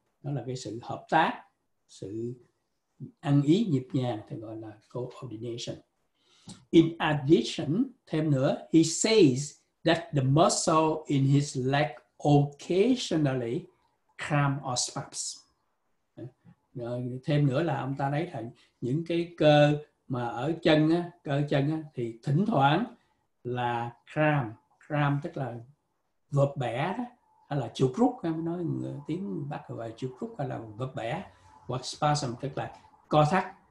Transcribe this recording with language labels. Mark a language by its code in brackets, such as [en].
[vi] Đó là cái sự hợp tác, sự ăn ý nhịp nhàng thì gọi là coordination. [en] In addition, [vi] thêm nữa, [en] he says that the muscle in his leg occasionally cramp or spasms. [vi] Thêm nữa là ông ta lấy thành những cái cơ mà ở chân á, cơ chân á, thì thỉnh thoảng là cramp, cramp tức là vợp bẻ đó, hay là chuột rút, em nói tiếng Bắc gọi là chuột rút hay là vật bẻ, hoặc spasm tức là co thắt.